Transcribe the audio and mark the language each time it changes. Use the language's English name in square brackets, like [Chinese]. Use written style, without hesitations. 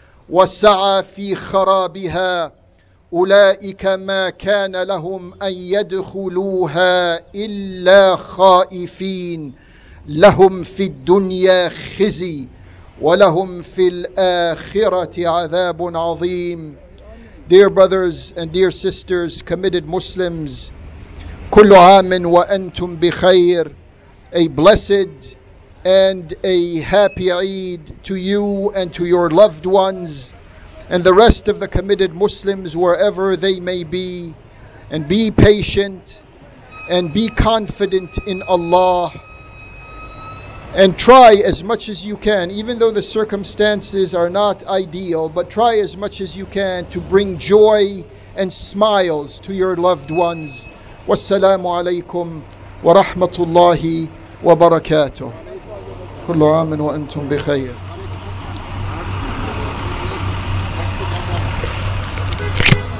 [Arabic] وسعى في خرابها أولئك ما كان لهم أن يدخلوها إلا خائفين لهم في الدنيا خزي ولهم في الآخرة عذاب عظيم [English] Dear brothers and dear sisters, committed Muslims, [Arabic] كل عام وأنتم بخير. [English] A blessed and a happy Eid to you and to your loved ones and the rest of the committed Muslims wherever they may be. And be patient and be confident in Allah. And try as much as you can, even though the circumstances are not ideal, but try as much as you can to bring joy and smiles to your loved ones. [Arabic] والسلام عليكم ورحمة الله وبركاته كل عام وأنتم بخير